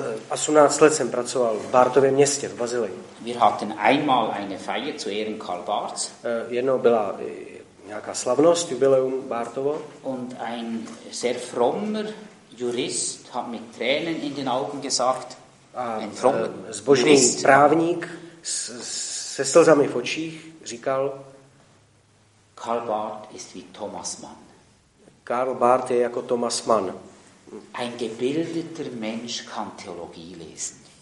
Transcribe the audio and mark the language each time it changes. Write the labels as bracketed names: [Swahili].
[Czech] 18 let jsem pracoval v Barthově městě v Bazileji. [German] Wir hatten einmal eine Feier zu Ehren Karl Barths. [Czech] Jednou byla nějaká slavnost, jubileum Barthovo. [German] Und ein sehr frommer Jurist hat mit Tränen in den Augen gesagt. [Czech] Zbožný právník se slzami v očích říkal: [German] Karl Barth ist wie Thomas Mann. [Czech] Karl Barth je jako Thomas Mann. [German] Ein gebildeter Mensch kann Theologie lesen.